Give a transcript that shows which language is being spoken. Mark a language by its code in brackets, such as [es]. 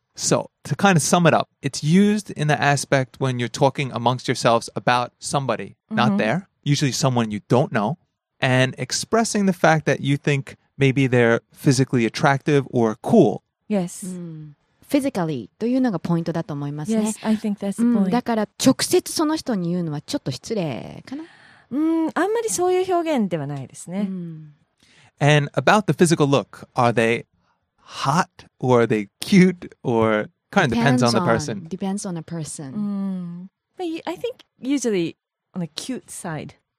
[en] So, to kind of sum it up, it's used in the aspect when you're talking amongst yourselves about somebody, mm-hmm. not there, usually someone you don't know, and expressing the fact that you think maybe they're physically attractive or cool. Yes. [ja] Physically, というのがポイントだと思いますね。 [en] Yes, I think that's the point. [ja] だから、直接その人に言うのはちょっと失礼かな。あんまりそういう表現ではないですね。 [en] And about the physical look, are they hot or are they cute or kind of depends on the person. But I think usually on the cute side.